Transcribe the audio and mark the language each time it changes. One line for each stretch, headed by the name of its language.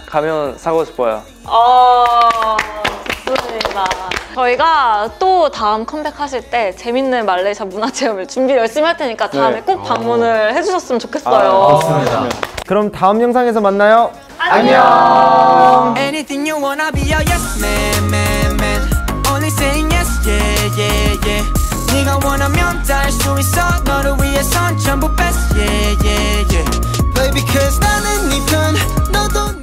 Korean: 가면 사고 싶어요. 아 좋습니다. 저희가 또 다음 컴백하실 때 재밌는 말레이시아 문화 체험을 준비 열심히 할 테니까 다음에 네. 꼭 방문을 해주셨으면 좋겠어요. 좋습니다. 그럼 다음 영상에서 만나요. 안녕.
English: Anything you wanna be a yes man, man, man. Only saying yes, yeah, yeah, yeah.
Korean: 네가 원하면 다 할 수 있어. 너를 위해선 전부
English: best, yeah, yeah, yeah. Baby, 'cause
Korean: 나는 네 편, 너도 내 편.